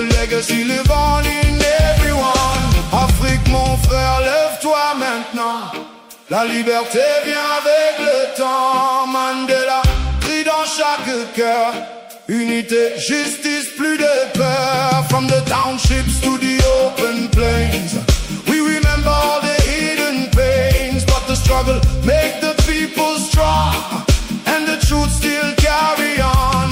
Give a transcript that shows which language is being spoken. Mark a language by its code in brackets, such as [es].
[en] legacy live on in everyone. [fr] Afrique, mon frère, lève-toi maintenant. La liberté vient avec le temps. Mandela, crie dans chaque cœur. Unité, justice, plus de peur. [en] From the townships to the open plains, we remember all the hidden pains. But the struggle make the people strong, and the truth still carry on.